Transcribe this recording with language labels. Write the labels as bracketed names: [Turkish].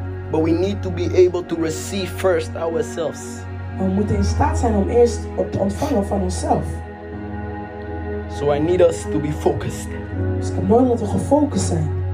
[English] But we need to be able to receive first ourselves. [Dutch] We moeten in staat zijn om eerst op te ontvangen van onszelf. [English] So I need us to be focused. [Dutch] Dus ik heb nodig dat we gefocust zijn.